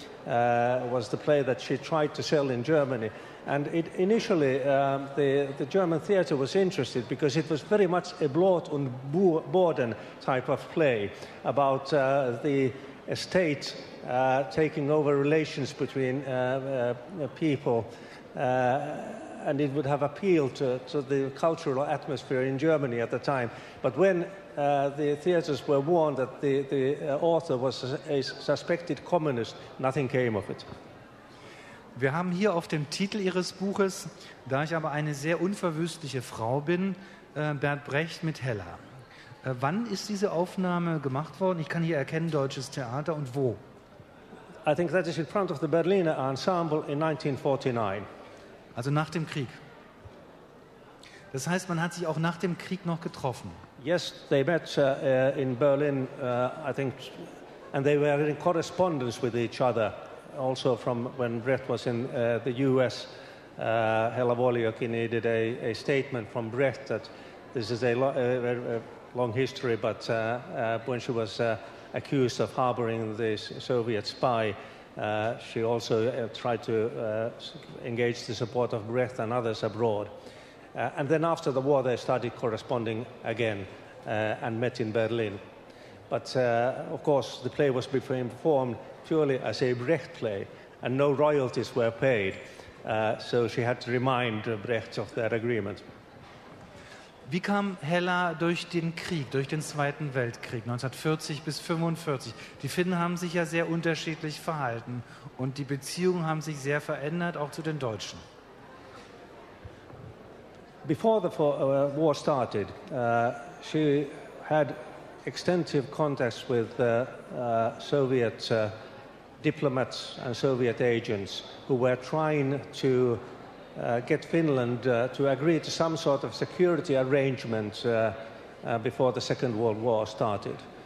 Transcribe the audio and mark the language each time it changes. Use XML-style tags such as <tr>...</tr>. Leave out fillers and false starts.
<en>was the play that she tried to sell in Germany. And it, initially, the German theater was interested because it was very much a</en> <de>Blot und Boden</de> <en>type of play about the estate taking over relations between people. And it would have appealed to the cultural atmosphere in Germany at the time. But when the theaters were warned that the author was a suspected communist, nothing came of it.</en> <de>Wir haben hier auf dem Titel Ihres Buches, da ich aber eine sehr unverwüstliche Frau bin, Bert Brecht mit Hella. Wann ist diese Aufnahme gemacht worden? Ich kann hier erkennen, Deutsches Theater, und wo?</de> <en>I think that is in front of the Berliner Ensemble in 1949.</en> <de>Also nach dem Krieg. Das heißt, man hat sich auch nach dem Krieg noch getroffen.</de> <en>Yes, they met in Berlin, I think, and they were in correspondence with each other. Also from when Brecht was in the US, Hella Wolyoki needed a statement from Brecht that this is a long history, but when she was accused of harboring the Soviet spy, she also tried to engage the support of Brecht and others abroad. And then after the war, they started corresponding again and met in Berlin. But of course, the play was being performed purely as a Brecht play, and no royalties were paid. So she had to remind Brecht of their agreement.</en> <de>Wie kam Hella durch den Krieg, durch den Zweiten Weltkrieg, 1940 bis 1945? Die Finnen haben sich ja sehr unterschiedlich verhalten und die Beziehungen haben sich sehr verändert, auch zu den Deutschen.</de> <en>Before the war started, she had extensive contacts with Soviet diplomats and Soviet agents who were trying to get Finland to agree to some sort of security arrangement before the Second World War started.</en>